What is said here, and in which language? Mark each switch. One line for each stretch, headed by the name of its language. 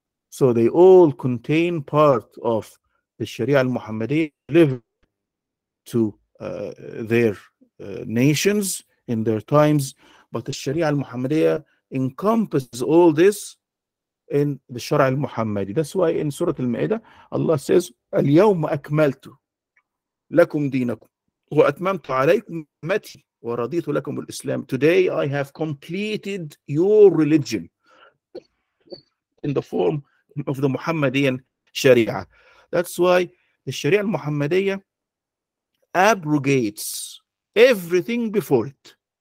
English: So they all contain part of the Sharia al-Muhammadiyya delivered to their nations in their times, but the Sharia al-Muhammadiyya encompasses all this in the Shara al-Muhammadi. That's why in Surah Al-Ma'idah, Allah says, Al-Yawm Akmaltu.
Arabic: لكم دينكم وأتممت عليكم نعمتي ورضيت لكم الإسلام.
English: Today I have completed your religion in the form of the Muhammadian Sharia. That's why the Sharia al-Muhammadiyya abrogates everything before it.